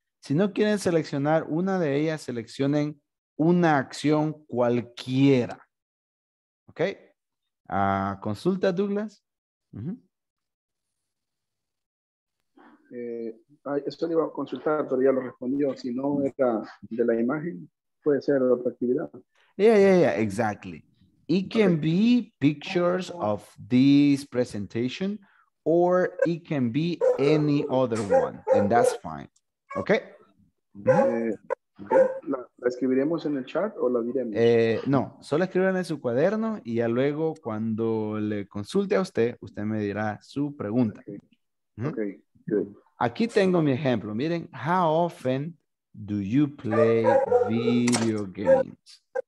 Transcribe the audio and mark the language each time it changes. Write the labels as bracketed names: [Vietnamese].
[Spanish] Si no quieren seleccionar una de ellas, seleccionen una acción cualquiera. ¿Ok? Consulta, Douglas. Eso lo iba a consultar, pero ya lo respondió. Si no era de la imagen, puede ser otra actividad. [English] Yeah, exactly. It can be pictures of this presentation, or it can be any other one, and that's fine. Okay? [Spanish] ¿La escribiremos en el chat o la diremos? No, solo escriban en su cuaderno y ya luego cuando le consulte a usted, usted me dirá su pregunta. [English] Okay, good. [Spanish] Aquí tengo mi ejemplo. Miren, [English] how often do you play video games?